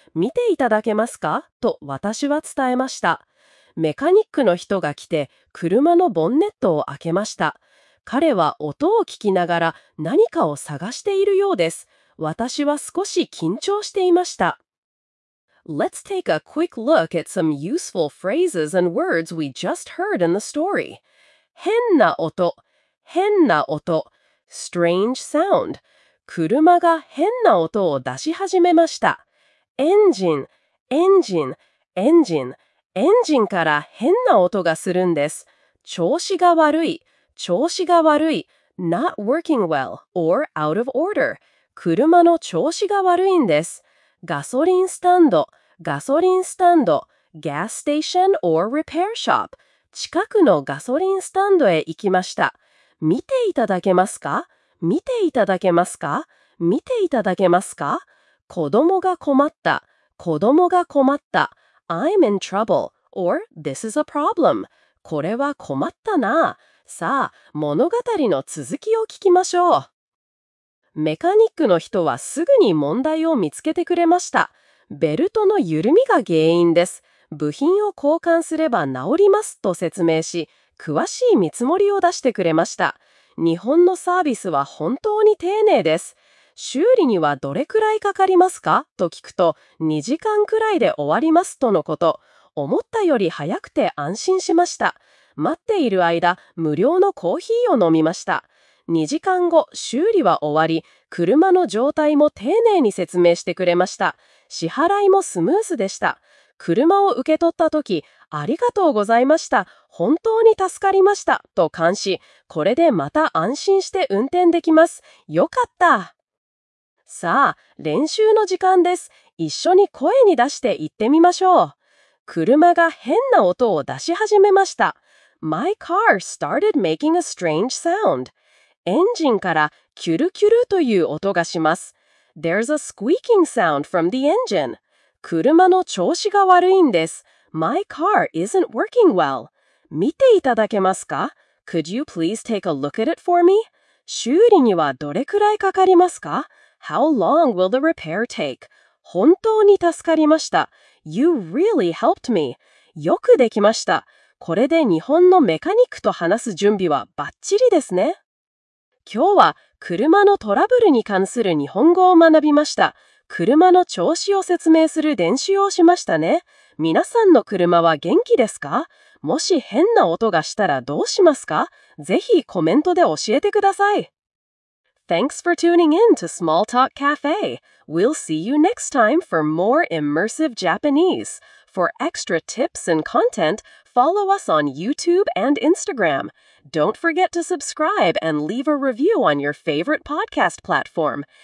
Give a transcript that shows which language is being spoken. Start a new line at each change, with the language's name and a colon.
Japanese: 見ていただけますか？と私は伝えました。メカニックの人が来て、車のボンネットを開けました。彼は音を聞きながら何かを探しているようです。私は少し緊張していました。
English: Let's take a quick look at some useful phrases and words we just heard in the story.
Japanese: 変な音、変な音、
English: strange sound.
Japanese: 車が変な音を出し始めました。エンジン、エンジン、エンジン。エンジンから変な音がするんです。調子が悪い、調子が悪い。
English: Not working well or out of order.
Japanese: 車の調子が悪いんです。ガソリンスタンド、ガソリンスタンド。
English: Gas station or repair shop.
Japanese: 近くのガソリンスタンドへ行きました。見ていただけますか？見ていただけますか？見ていただけますか？子供が困った、子供が困った。
English: I'm in trouble, or this is a problem.
Japanese: これは困ったな。さあ、物語の続きを聞きましょう。メカニックの人はすぐに問題を見つけてくれました。ベルトの緩みが原因です。部品を交換すれば治りますと説明し、詳しい見積もりを出してくれました。日本のサービスは本当に丁寧です。修理にはどれくらいかかりますか？と聞くと、2時間くらいで終わりますとのこと。思ったより早くて安心しました。待っている間、無料のコーヒーを飲みました。 2時間後、修理は終わり、車の状態も丁寧に説明してくれました。支払いもスムーズでした。車を受け取った時、ありがとうございました。本当に助かりました。と感し、これでまた安心して運転できます。よかった。さあ、練習の時間です。一緒に声に出して言ってみましょう。車が変な音を出し始めました。
English: My car started making a strange sound.
Japanese: エンジンからキュルキュルという音がします。
English: There's a squeaking sound from the engine.
Japanese: 車の調子が悪いんです。
English: My car isn't working well.
Japanese: 見ていただけますか？
English: Could you please take a look at it for me?
Japanese: 修理にはどれくらいかかりますか？
English: How long will the repair take?
Japanese: 本当に助かりました。
English: You really helped me.
Japanese: よくできました。これで日本のメカニックと話す準備はバッチリですね。今日は車のトラブルに関する日本語を学びました。車の調子を説明する練習をしましたね。皆さんの車は元気ですか？もし変な音がしたらどうしますか？ぜひコメントで教えてください。
English: Thanks for tuning in to Small Talk Cafe. We'll see you next time for more immersive Japanese. For extra tips and content, follow us on YouTube and Instagram. Don't forget to subscribe and leave a review on your favorite podcast platform.